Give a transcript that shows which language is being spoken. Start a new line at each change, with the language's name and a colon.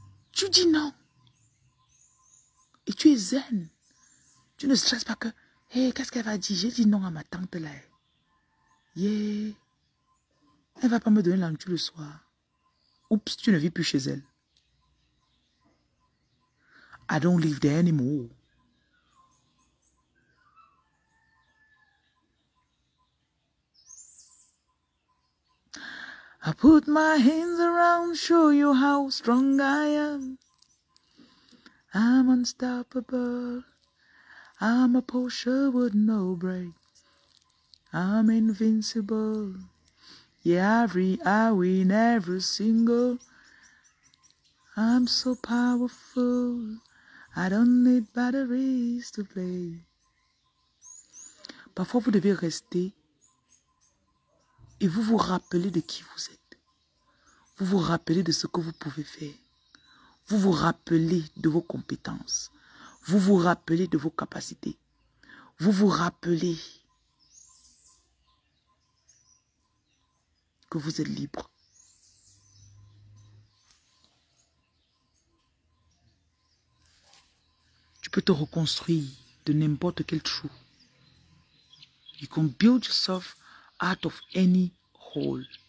French: Tu dis non. Et tu es zen. Tu ne stresses pas que, hey, qu'est-ce qu'elle va dire? J'ai dit non à ma tante là. Yeah. Elle ne va pas me donner la nourriture le soir. Oups, tu ne vis plus chez elle.
English: I don't live there anymore. I put my hands around, show you how strong I am. I'm unstoppable. I'm a Porsche with no brakes. I'm invincible. Yeah, every I win every single. I'm so powerful. I don't need batteries to play.
French: Parfois, vous devez rester et vous vous rappelez de qui vous êtes. Vous vous rappelez de ce que vous pouvez faire. Vous vous rappelez de vos compétences. Vous vous rappelez de vos capacités. Vous vous rappelez que vous êtes libre. Tu peux te reconstruire de n'importe quel trou.
English: You can build yourself out of any hole.